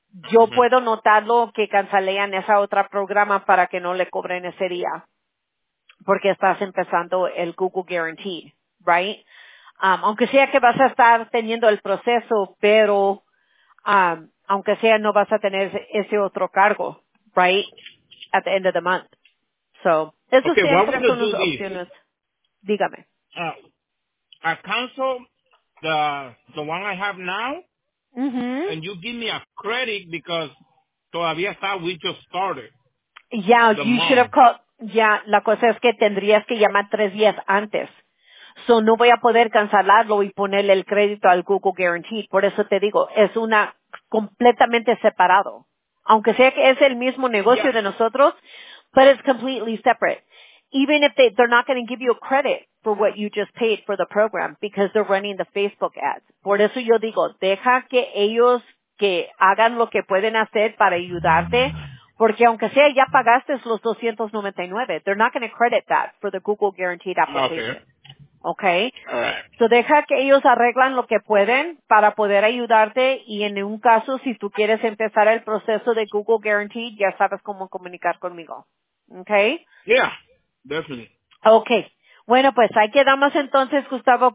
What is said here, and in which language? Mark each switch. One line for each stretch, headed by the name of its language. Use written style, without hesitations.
Spanish: Yo puedo notarlo que cancelean esa otra programa para que no le cobren ese día porque estás empezando el Google Guarantee,
English: right?
Spanish: Aunque sea que vas a estar teniendo el proceso, pero aunque sea no vas a tener ese otro cargo,
English: right, at the end of the month.
Spanish: So, esas son las opciones. Dígame.
English: I cancel the one I have now, mm-hmm. and you give me a credit because
Spanish: todavía está,
English: we just started. Yeah, you should have called.
Spanish: Yeah, la cosa es que tendrías que llamar 3 días antes. So no voy a poder cancelarlo y ponerle el crédito al Google Guaranteed. Por eso te digo, es una completamente separado. Aunque sea que es el mismo negocio de nosotros,
English: but it's completely separate. Even if they're not going to give you a credit for what you just paid for the program because they're running the Facebook ads.
Spanish: Por eso yo digo, deja que ellos que hagan lo que pueden hacer para ayudarte. Porque aunque sea, ya pagaste los 299.
English: They're not going to credit that for the Google Guaranteed application. Okay. Okay. Right.
Spanish: So deja que ellos arreglan lo que pueden para poder ayudarte. Y en un caso, si tú quieres empezar el proceso de Google Guaranteed, ya sabes cómo comunicar conmigo.
English: Okay. Yeah, definitely. Okay.
Spanish: Bueno, pues ahí quedamos entonces, Gustavo.